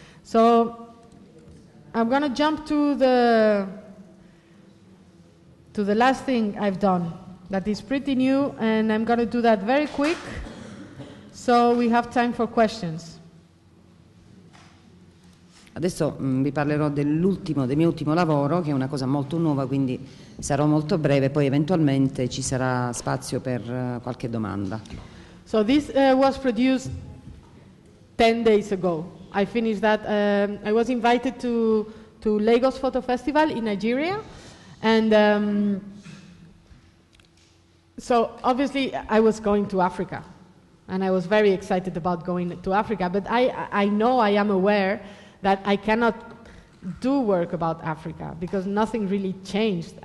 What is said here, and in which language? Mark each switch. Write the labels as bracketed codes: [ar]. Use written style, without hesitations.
[en] So, I'm going to jump to the last thing I've done that is pretty new, and I'm going to do that very quick so we have time for questions. [it] Adesso vi parlerò del mio ultimo lavoro, che è una cosa molto nuova, quindi sarò molto breve, poi eventualmente ci sarà spazio per qualche domanda. [en] So this was produced 10 days ago. I finished that. I was invited to Lagos Photo Festival in Nigeria, and so obviously I was going to Africa, and I was very excited about going to Africa, but I am aware that I cannot do work about Africa because nothing really changed.